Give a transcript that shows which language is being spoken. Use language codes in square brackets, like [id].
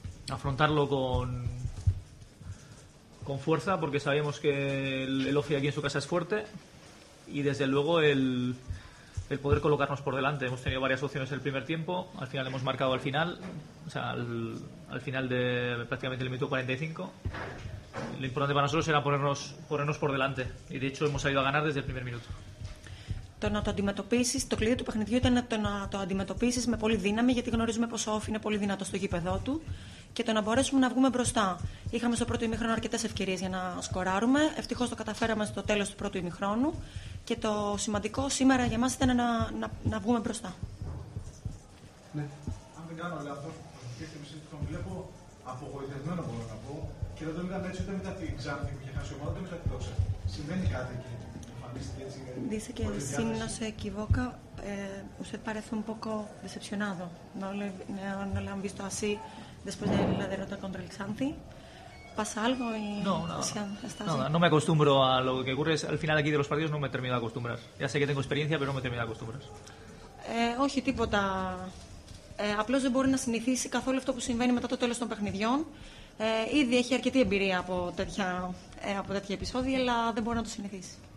[es] Afrontarlo con fuerza, porque sabemos que el Ofi aquí en su casa es fuerte y desde luego el poder colocarnos por delante. Hemos tenido varias opciones el primer tiempo, al final hemos marcado al final, o sea, al final de prácticamente el minuto 45. Lo importante para nosotros era ponernos por delante y de hecho hemos salido a ganar desde el primer minuto. [el] Το να το αντιμετωπίσεις, το κλειδί του παιχνιδιού ήταν το να το αντιμετωπίσεις με πολύ δύναμη, γιατί γνωρίζουμε πως ο Όφι είναι πολύ δυνατός στο γήπεδό του, και το να μπορέσουμε να βγούμε μπροστά. Είχαμε στο πρώτο ημίχρονο αρκετές ευκαιρίες για να σκοράρουμε. Ευτυχώς το καταφέραμε στο τέλος του πρώτου ημιχρόνου. Και το σημαντικό σήμερα για μας ήταν να βγούμε μπροστά. Ναι. Αν δεν κάνω λάθος, τον βλέπω απογοητευμένο, μπορώ να πω. Και δεν τον είδαμε έτσι ούτε μετά την Ξάνθη που είχε χάσει ομάδα, ούτε μετά την Δόξα. Συμβαίνει κάτι εκεί. [es] Dice que si no se equivoca, usted parece un poco decepcionado. No lo han visto así después de la derrota contra el Xanthi. ¿Pasa algo? Y no me acostumbro a lo que ocurre. Al final aquí de los partidos no me termino de acostumbrar. Ya sé que tengo experiencia, pero no me termino de acostumbrar. [el] Όχι τίποτα. Απλώς δεν μπορεί να συνηθίσει καθόλου αυτό που συμβαίνει μετά το τέλος των παιχνιδιών. Ήδη έχει αρκετή εμπειρία από τέτοια επεισόδια, αλλά δεν μπορεί να το συνηθίσει.